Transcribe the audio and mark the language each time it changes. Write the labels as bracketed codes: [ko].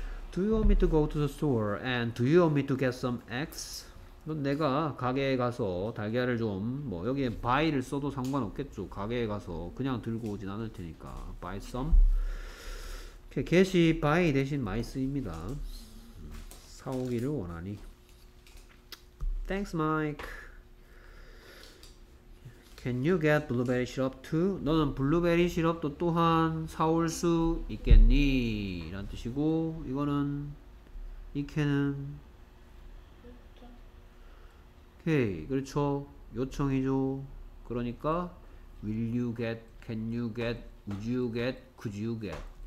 [en] do you want me to go to the store and do you want me to get some x? [ko] 넌 내가 가게에 가서 달걀을 좀, 뭐 여기에 buy를 써도 상관없겠죠. 가게에 가서 그냥 들고 오진 않을 테니까 [en] buy some. [ko] 이렇게 get이 buy 대신 많이 쓰입니다. 사오기를 원하니. [en] Thanks, Mike. Can you get blueberry syrup too? [ko] 너는 블루베리 시럽도 또한 사올 수 있겠니? 라는 뜻이고, 이거는 이 캔은 오케이, 그렇죠. 요청이죠. [en] 그러니까 will you get, can you get, would you get, could you get?